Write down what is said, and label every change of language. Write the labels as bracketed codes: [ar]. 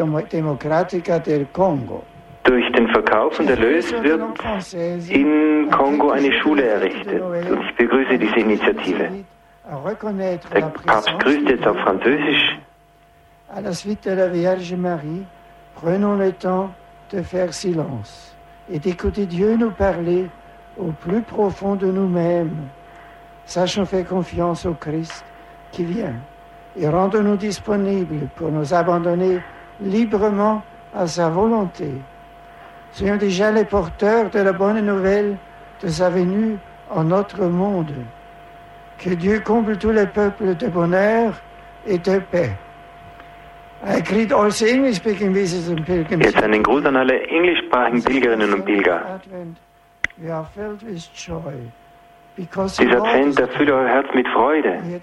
[de] Durch den Verkauf und Erlös wird in Kongo eine Schule errichtet. Und ich begrüße diese Initiative. Der Papst grüßt jetzt auf Französisch. [fr] À la suite de la Vierge Marie, prenons le temps de faire silence. Et d'écouter Dieu nous parler au plus profond de nous-mêmes. Sachons faire confiance au Christ qui vient et rendons-nous disponibles pour nous abandonner librement à sa volonté. Soyons déjà les porteurs de la bonne nouvelle de sa venue en notre monde. Que Dieu comble tous les peuples de bonheur et de paix. [en] I greet all the English-speaking visitors and pilgrims. [de] Jetzt einen Gruß an alle englischsprachigen Pilgerinnen und Pilger. Dieser Advent erfüllt euer Herz mit Freude.